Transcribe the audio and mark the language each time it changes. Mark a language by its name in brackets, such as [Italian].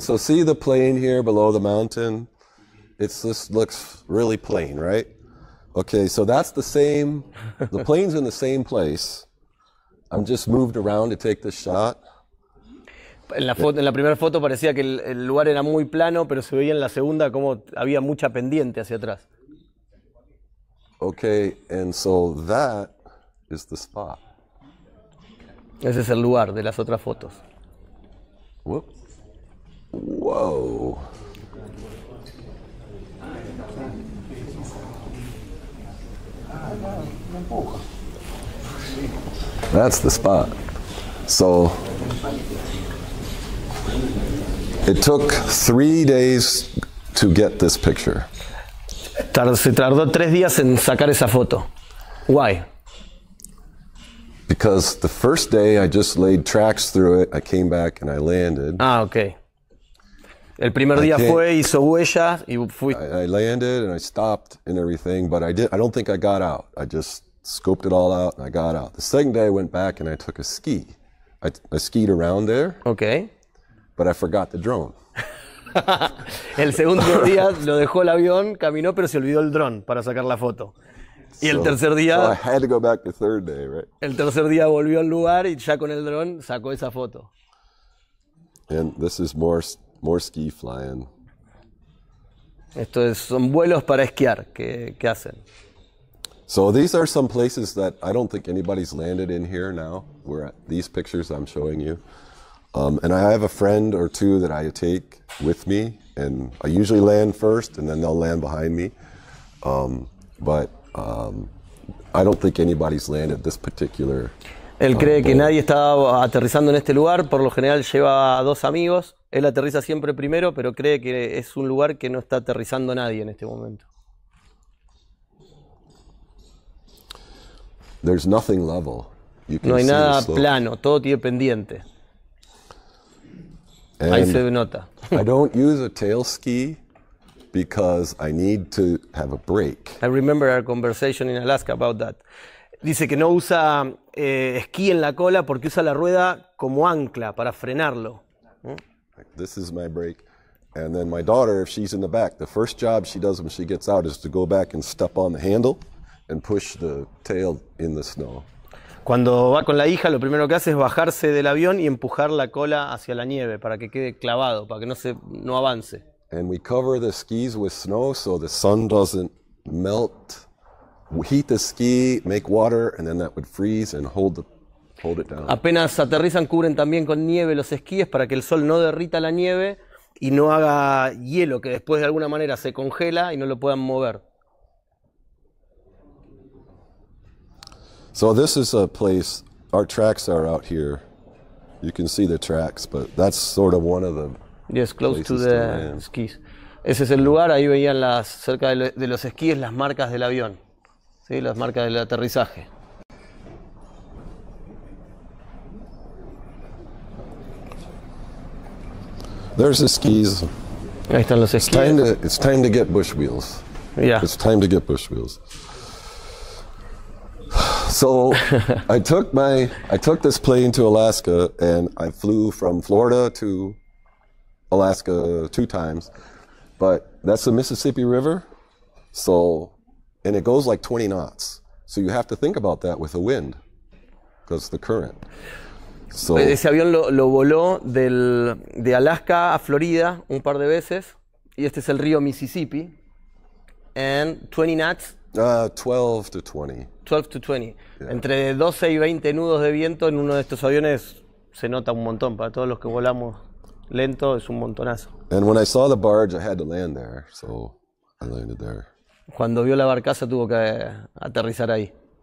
[English] So see the plane here below the mountain? This looks really plain, right? Okay, so that's the same. The plane's in the same place. I'm just moved around to take this shot. [Spanish] En la primera foto parecía que el lugar era muy plano, pero se veía en la segunda como había mucha pendiente hacia atrás. [English] Okay, and so that is the spot. [Spanish] Ese es el lugar de las otras fotos. [English] Whoop. Whoa. That's the spot. So... It took 3 days to get this picture. [Spanish] Se tardó 3 días en sacar esa foto. [English] Why? Because the first day I just laid tracks through it, I came back and I landed. Ah, okay. [Spanish] El primer día fue, hizo huellas y fui. [English] I landed and I stopped and everything, but I don't think I got out. I just scoped it all out and I got out. The second day I went back and I took a ski. I skied around there. Okay. But I forgot the drone. [Spanish] El segundo día lo dejó el avión, caminó, pero se olvidó el drone para sacar la foto. Y el tercer día... [English] So I had to go back the third day, right? [Spanish] El tercer día volvió al lugar y ya con el drone sacó esa foto. [English] And this is more ski flying. [Spanish] Esto es, son vuelos para esquiar que hacen. [English] So these are some places that I don't think anybody's landed in here now, where these pictures I'm showing you. And I have a friend or two that I take with me, and I usually land first, and then they'll land behind me. I don't think anybody's landed this particular. [Spanish] Él cree que nadie está aterrizando en este lugar. Por lo general lleva a dos amigos. Él aterriza siempre primero, pero cree que es un lugar que no está aterrizando nadie en este momento. [English] There's nothing level. You can [Spanish] no hay [English] see [Spanish] nada plano, todo tiene pendiente. [English] And [Spanish] ahí se nota. [English] I don't use a tail ski because I need to have a break. I remember our conversation in Alaska about that. [Spanish] Dice que no usa esquí en la cola porque usa la rueda como ancla para frenarlo. [English] This is my break. And then my daughter, if she's in the back, the first job she does when she gets out is to go back and step on the handle and push the tail in the snow. [Spanish] Cuando va con la hija, lo primero que hace es bajarse del avión y empujar la cola hacia la nieve para que quede clavado, para que no avance. [English] And we cover the skis with snow so the sun doesn't melt. We heat the ski, make water, and then that would freeze and hold it down. [Spanish] Apenas aterrizan, cubren también con nieve los esquíes para que el sol no derrita la nieve y no haga hielo, que después de alguna manera se congela y no lo puedan mover. [English] So this is a place, our tracks are out here. You can see the tracks, but that's sort of one of the yes, close to the skis. [Spanish] Ese es el lugar, ahí veían las, cerca de los esquíes, las marcas del avión. Sí, las marcas del aterrizaje. [English] There's the skis. [Spanish] Ahí están los esquíes. [English] It's time to get bush wheels. Yeah. It's time to get bush wheels. So I took this plane to Alaska and I flew from Florida to Alaska two times, but that's the Mississippi River, so and it goes like 20 knots, so you have to think about that with the wind, because the current. So [Spanish] ese avión lo voló de Alaska a Florida un par de veces, y este es el río Mississippi, [English] and 20 knots. 12 to 20. Yeah. [Spanish] Entre 12 y 20 nudos de viento en uno de estos aviones se nota un montón. Para todos los que volamos lento es un montonazo. [English] And when I saw the barge, I had to land there, so I landed there. [Spanish] Cuando vio la barcaza tuvo que aterrizar ahí.